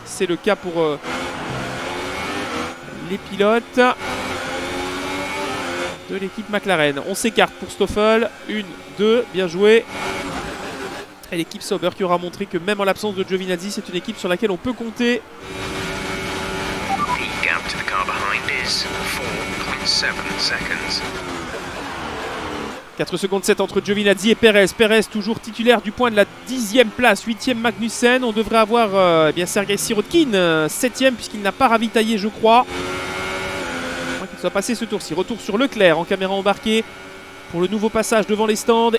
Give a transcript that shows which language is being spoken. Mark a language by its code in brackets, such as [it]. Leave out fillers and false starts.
[fr] C'est le cas pour les pilotes. de l'équipe McLaren. On s'écarte pour Stoffel. 1, 2, bien joué. Et l'équipe Sauber qui aura montré que même en l'absence de Giovinazzi, c'est une équipe sur laquelle on peut compter. [en] The gap to the car behind is 4.7 seconds. [fr] 4 secondes 7 entre Giovinazzi et Perez. Perez toujours titulaire du point de la 10e place. 8e Magnussen. On devrait avoir Sergei Sirotkin, 7e, puisqu'il n'a pas ravitaillé, je crois. Qu'il soit passé ce tour-ci. Retour sur Leclerc en caméra embarquée pour le nouveau passage devant les stands.